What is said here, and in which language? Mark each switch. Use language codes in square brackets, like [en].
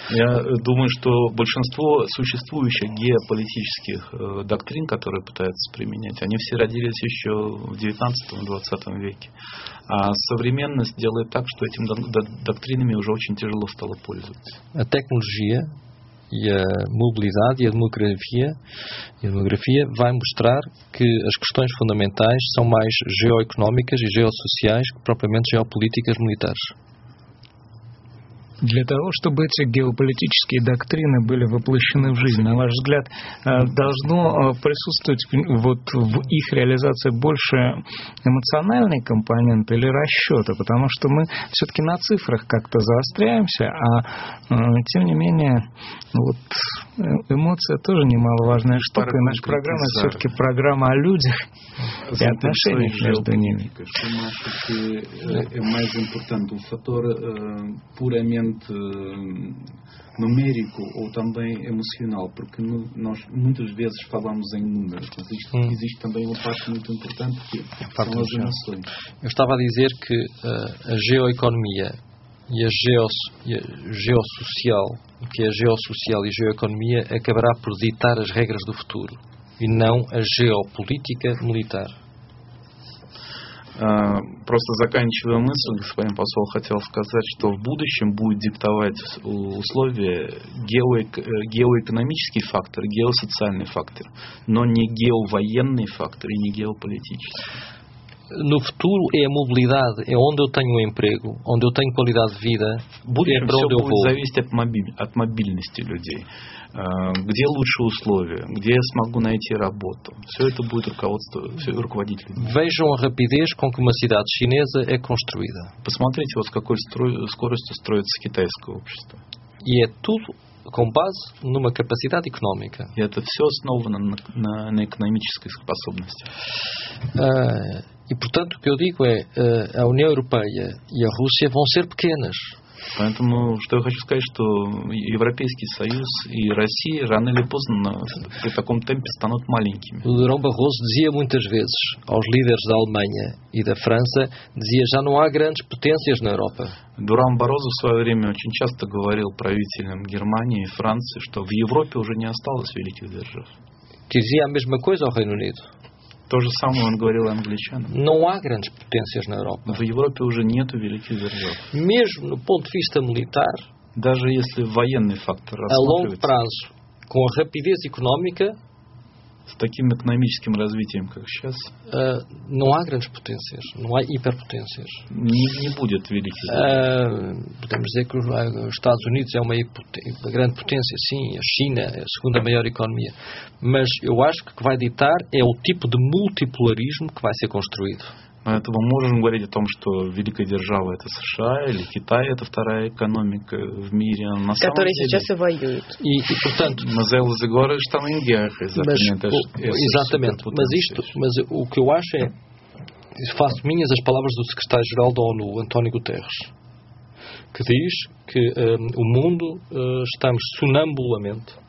[pt] Eu acho que a maioria das geopolíticas doutrinas que estão tentando [ru] применять, они все родились еще в 19-м, 20-м веке. А современность делает так, что этим доктринами уже очень тяжело стало пользоваться. [pt] A tecnologia e a mobilidade e a demografia, vai mostrar que as questões fundamentais são mais geoeconómicas e geossociais que propriamente geopolíticas militares. [ru] Для того, чтобы эти геополитические доктрины были воплощены в жизнь, на ваш взгляд, должно присутствовать вот в их реализации больше эмоциональный компонент или расчета? Потому что мы все-таки на цифрах как-то заостряемся, а тем не менее, вот эмоция тоже немаловажная штука, и наша программа все-таки программа о людях и отношениях между ними. [pt] Numérico ou também emocional, porque nós muitas vezes falamos em números, mas existe também uma parte muito importante que são as emoções. Eu estava a dizer que a geoeconomia e a geossocial, que é a geossocial e a geoeconomia, acabará por ditar as regras do futuro e não a geopolítica militar. [ru] Просто заканчивая мысль, господин посол хотел сказать, что в будущем будет диктовать условия геоэкономический фактор, геосоциальный фактор, но не геовоенный фактор и не геополитический. [pt] No futuro é a mobilidade, é onde eu tenho um emprego, onde eu tenho qualidade de vida, [ru] будет, [pt] é para onde eu vou. [ru] Будет зависеть от мобильности людей. Где лучшие условия, где я смогу найти работу. Все это будет руководство, все руководить людьми. [pt] Vejam a rapidez com que uma cidade chinesa é construída. [ru] Посмотрите, вот с какой скоростью строится китайское общество. И это [pt] tudo com base numa capacidade económica. [ru] И это все основано на экономической способности. [pt] E, portanto, o que eu digo é, a União Europeia e a Rússia vão ser pequenas. [ru] Поэтому, что я хочу сказать, что Европейский Союз и Россия рано или поздно при таком темпе станут маленькими. [pt] Durão Barroso dizia muitas vezes aos líderes da Alemanha e da França, dizia, já não há grandes potências na Europa. [ru] Durão Barroso в свое время очень часто говорил правителям Германии и Франции, что в Европе уже не осталось великих держав. [pt] Dizia a mesma coisa ao Reino Unido. [ru] То же самое он говорил англичанам. [pt] Não há grandes potências na Europa. [ru] В Европе уже нету великих держав. [pt] Mesmo no ponto de vista militar, [ru] даже если военный фактор рассматривать, [pt] a longo prazo, com a rapidez económica, [ru] с таким экономическим развитием, как сейчас, [pt] não há grandes potências, não há hiperpotências. [ru] Не будет великих держав. [pt] Podemos dizer que os Estados Unidos é uma grande potência, sim, a China é a segunda maior economia. Mas eu acho que o que vai ditar é o tipo de multipolarismo que vai ser construído. Mas então vamos falar de [ru] том, что великая держава это США или Китай это вторая экономика в мире на самом деле. Которые сейчас и воюют. [pt] И portanto, mas elas agora estão em guerra, exatamente. Exatamente. Mas isto, mas o que eu acho é, faço minhas as palavras do secretário-geral da ONU, António Guterres, que diz que o mundo estamos sonambulamente.